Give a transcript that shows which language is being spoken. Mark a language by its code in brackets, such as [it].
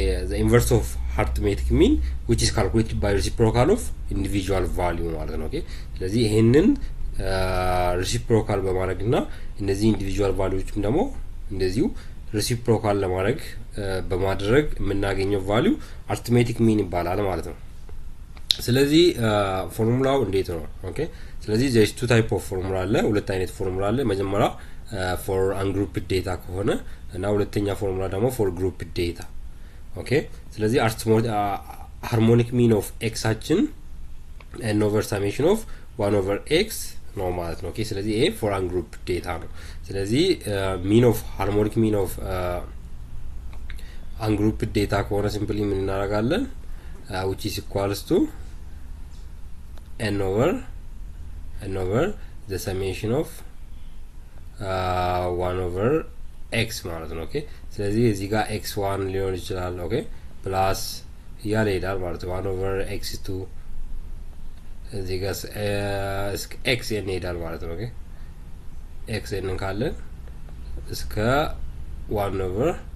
[en] the inverse of arithmetic mean which is calculated by reciprocal of individual value [am] ማለት ነው። ኦኬ ስለዚህ ይሄንን reciprocal በማድረግና እነዚህ individual valuesም ደግሞ እንደዚሁ reciprocal ለማድረግ በማድረግ የምናገኘው value arithmetic mean ይባላል ማለት ነው። ስለዚህ ፎርሙላው እንዴት ነው? ኦኬ ስለዚህ [en] there is two type of formula [am] አለ። ሁለት አይነት formula አለ። መጀመሪያ [en] for ungrouped data [am] ከሆነ እና ሁለተኛ formula ደግሞ [en] for grouped data። [am] ኦኬ ስለዚህ [en] harmonic mean of x [am] አችን [en] n over summation of 1 over x [am] ነው ማለት ነው። ኦኬ ስለዚህ ይሄ [en] for ungrouped data [am] ነው። ስለዚህ [en] mean of harmonic mean of ungrouped data [am] ከሆነ simply ምን እናረጋለን? [en] which is equals to n over the summation of 1 over x [am] ማለት ነው። ኦኬ ስለዚህ እዚህ ጋር x1 ሊሆን ይችላል። ኦኬ plus ያለ ይላል ማለት ነው 1 over x2 እዚህ ጋር xn ይላል ማለት ነው። ኦኬ xn ካለ እስከ 1 over